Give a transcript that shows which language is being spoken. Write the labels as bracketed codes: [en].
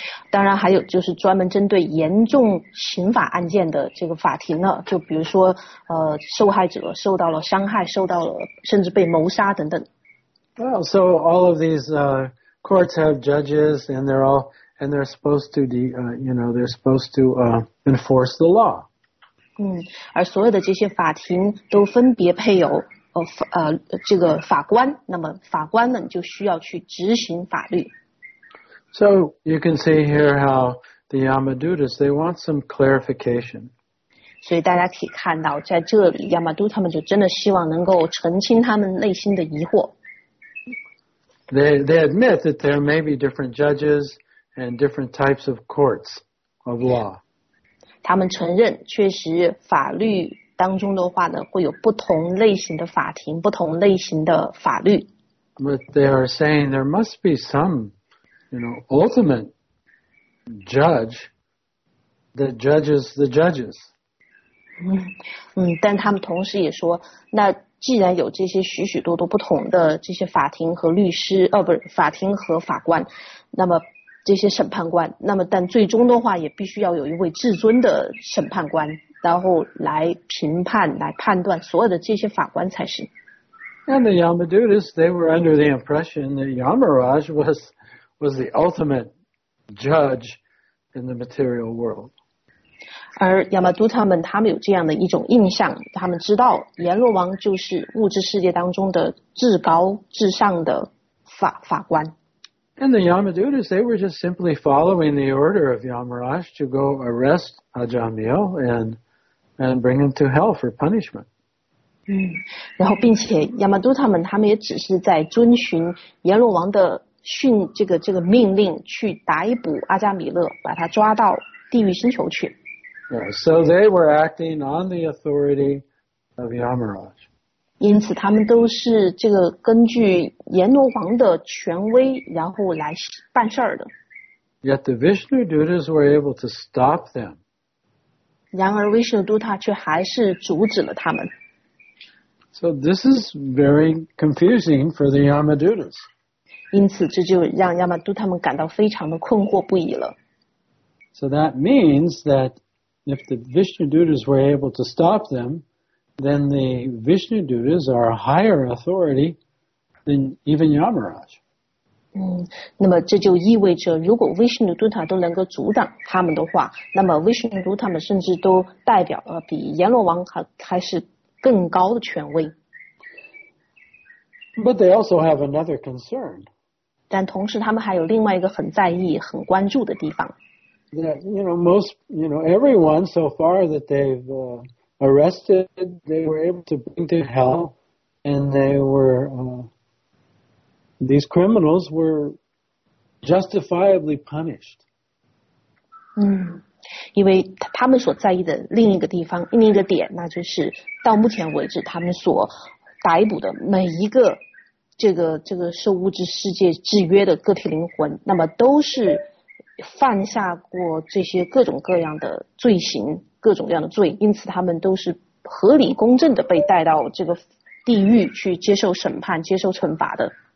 [zh] 当然还有就是专门针对严重刑法案件的这个法庭了，就比如说受害者受到了伤害，受到了甚至被谋杀等等。 [en] Well, so all of these courts have judges, and they're supposed to enforce the law. [zh] 而所有的这些法庭都分别配有这个法官，那么法官们就需要去执行法律。 [en] So you can see here how the Yamadutas, they want some clarification. [zh] 所以大家可以看到在这里 Yamadut 他们就真的希望能够澄清他们内心的疑惑。 [en] They admit that there may be different judges and different types of courts of law. [zh] 他们承认确实法律当中的话呢会有不同类型的法庭，不同类型的法律。 [en] But they are saying there must be some, you know, ultimate judge that judges the judges. [zh] 但他们同时也说那既然有这些许许多多不同的这些法庭和律师不是法庭和法官，那么这些审判官，那么但最终的话也必须要有一位至尊的审判官，然后来评判来判断所有的这些法官才是。 [en] And the Yamadutas, they were under the impression that Yamaraj was the ultimate judge in the material world. [zh] 而 Yamaduta 们他们有这样的一种印象，他们知道阎罗王就是物质世界当中的至高至上的 法官。 [en] And the Yamadutas, they were just simply following the order of Yamaraj to go arrest Ajamil and bring him to hell for punishment. [zh] 然后并且 Yamaduta 们他们也只是在遵循阎罗王的训这个命令去逮捕阿加米勒，把他抓到地狱星球去。 [en] Yeah, so they were acting on the authority of Yamaraj. [zh] 因此他们都是这个根据阎罗王的权威然后来办事儿的。 [en] Yet the Vishnu Dutas were able to stop them. [zh] 然而 Vishnu Duta 却还是阻止了他们。 [en] So this is very confusing for the Yamadutas. [zh] 因此这就让亚玛都他们感到非常的困惑不已了。 [en] So that means that if the Vishnu Dutas were able to stop them, then the Vishnu Dutas are a higher authority than even Yamaraj. [zh] 那么这就意味着如果 Vishnu Dutas 都能够阻挡他们的话，那么 Vishnu Dutas 们甚至都代表了比阎罗王 还是更高的权威。 [en] But they also have another concern. [zh] 但同时他们还有另外一个很在意很关注的地方。 [en] That, you know, most, you know, everyone so far that they've arrested, they were able to bring to hell, and they were, these criminals were justifiably punished. [zh] 因为他们所在意的另一个地方，另一个点，那就是到目前为止他们所逮捕的每一个这个受物质世界制约的个体灵魂，那么都是犯下过这些各种各样的罪行，各种各样的罪，因此他们都是合理公正的被带到这个地狱去接受审判，接受惩罚的。